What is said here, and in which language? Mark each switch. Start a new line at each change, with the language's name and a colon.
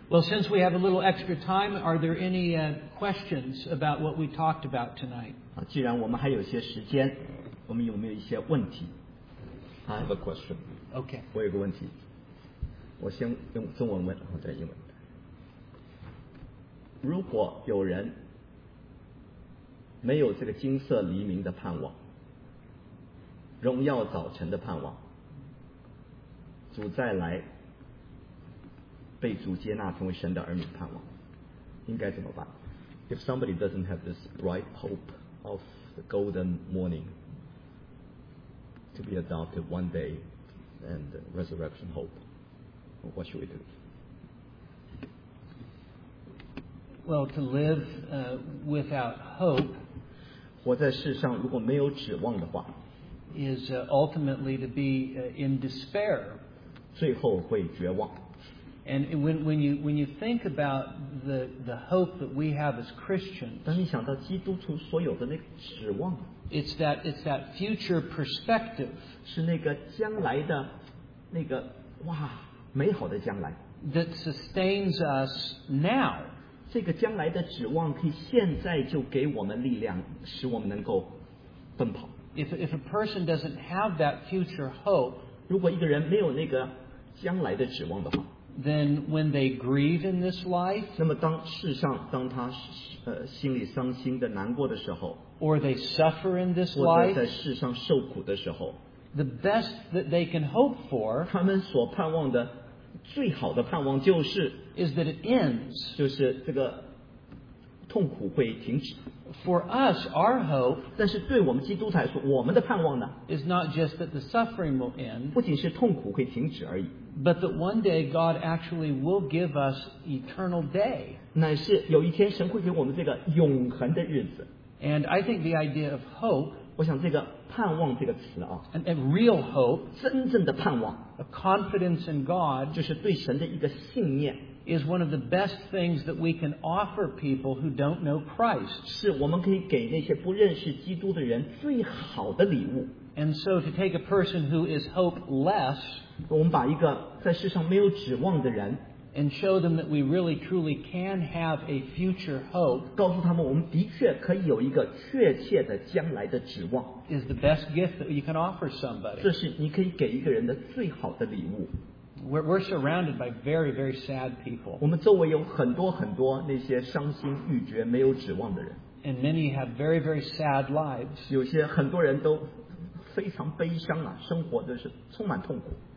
English: Well, since we have a little extra time, are there any questions about what we talked about tonight?
Chinese: 既然我们还有些时间, 我们有没有一些问题?
English: I have a question. Okay.
Chinese: 我有个问题。我先用中文问, 再英文。如果有人 没有这个金色黎明的盼望, 荣耀早晨的盼望, 主再来, 被主接纳成为神的儿女盼望, 应该怎么办?
English: If somebody doesn't have this bright hope of the golden morning to be adopted one day and resurrection hope, what should we do? Well, to live without hope,
Chinese: 活在世上如果没有指望的话,
English: is ultimately to be in despair.
Chinese: 最后会绝望。
English: And when you think about the hope that we have as Christians,
Chinese: 当你想到基督徒所有的那个指望,
English: it's that future perspective.
Chinese: 是那个将来的那个哇美好的将来
English: that sustains us now.
Chinese: 这个将来的指望可以现在就给我们力量, 使我们能够奔跑.
English: If a person doesn't have that future hope,
Chinese: 如果一个人没有那个将来的指望的话,
English: then when they grieve in this life,
Chinese: 那么当世上当他, 心里伤心的难过的时候,
English: or they suffer in this life,
Chinese: 或者在世上受苦的时候,
English: the best that they can hope for,
Chinese: 他们所盼望的, 最好的盼望就是,
English: is that it ends.
Chinese: 就是这个痛苦会停止。
English: For us, our hope,
Chinese: 但是对我们基督徒来说, 我们的盼望呢,
English: is not just that the suffering will end,
Chinese: 不仅是痛苦会停止而已,
English: but that one day God actually will give us eternal day.
Chinese: 乃是有一天神会给我们这个永恒的日子。
English: And I think the idea of hope,
Chinese: 我想这个盼望这个词啊,
English: and a real hope,
Chinese: 真正的盼望,
English: a confidence in God,
Chinese: 就是对神的一个信念,
English: is one of the best things that we can offer people who don't know Christ.
Chinese: 是我们可以给那些不认识基督的人最好的礼物。
English: And so to take a person who is hopeless,
Chinese: 我们把一个在世上没有指望的人,
English: and show them that we really truly can have a future hope,
Chinese: 告诉他们我们的确可以有一个确切的将来的指望,
English: is the best gift that you can offer somebody.
Chinese: 这是你可以给一个人的最好的礼物。
English: We're surrounded by very, very sad people.
Chinese: 我们周围有很多很多那些伤心欲绝没有指望的人。
English: And many have very, very sad lives.
Chinese: 有些很多人都非常悲伤啊,生活的是充满痛苦。